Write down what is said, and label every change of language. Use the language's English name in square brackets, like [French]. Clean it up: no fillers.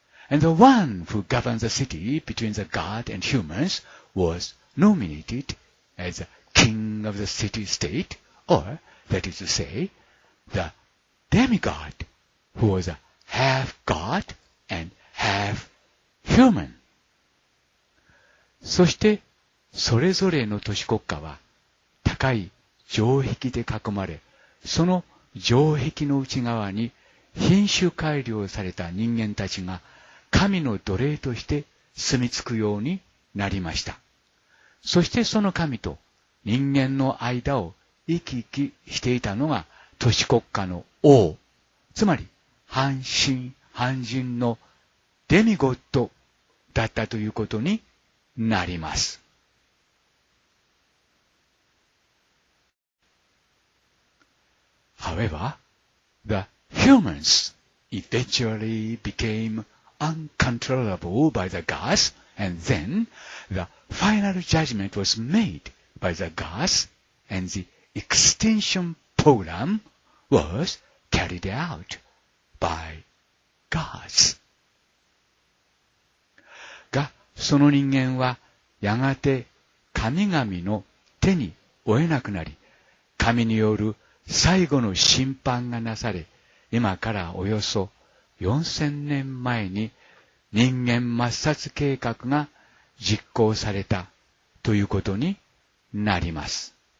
[English] And the one who governed the city between the god and humans was nominated as the king of the city-state, or, that is to say, the demigod, who was a half-god and half-human. [Japanese] そして、それぞれの都市国家は高い城壁で囲まれ、その城壁の内側に品種改良された人間たちが神の奴隷として住み着くようになりました。そしてその神と人間の間を行き来していたのが都市国家の王、つまり半神半人のデミゴッドだったということになります。 [English] However, the humans eventually becameuncontrollable by the gods, and then the final judgment was made by the gods, and the extinction program was carried out by gods. [Japanese] が、その人間はやがて神々の手に負えなくなり、神による最後の審判がなされ、今からおよそ4000年前に人間抹殺計画が実行されたということになります。